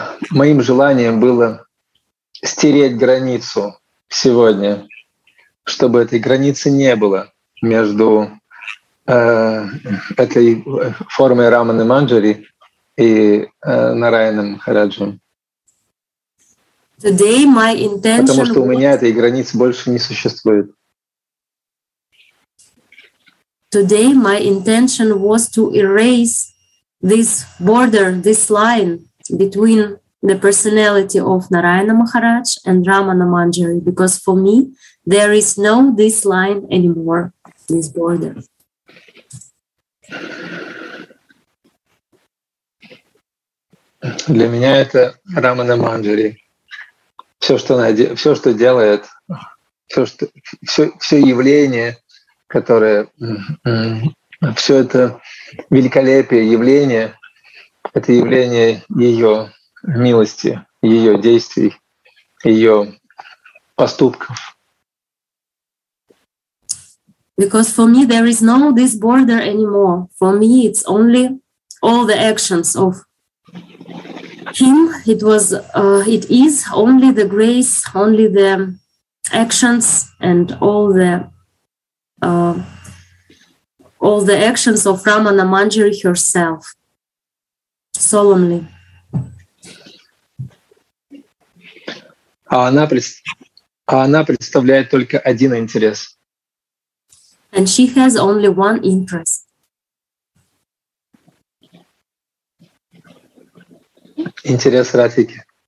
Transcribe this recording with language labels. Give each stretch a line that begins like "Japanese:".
Russian: Моим желанием было стереть границу сегодня, чтобы этой границы не было между этой формой Раманы Манджари и Нараяном Махараджем.
English: Today my intention
Russian: Потому что у меня этой границы больше не существует.
English: Today my intention was to erase this border, this line between the personality of Narayana Maharaj and Ramana Manjari, because for me there is no this line anymore, this border.
Russian: Для меня это Рамана Манджари. Все, что она, все, что делает, все, что, все, все явление, которое, все это великолепие явления, это явление ее милости, ее действий, ее поступков.
English: Because for me there is no this border anymore. For me it's only all the actions of Him, it was, it is only the grace, only the actions and all the actions of Ramana Manjari herself, solemnly.
Russian: Она представляет только один интерес.
English: And she has only one interest.
Russian: Интерес Радхики.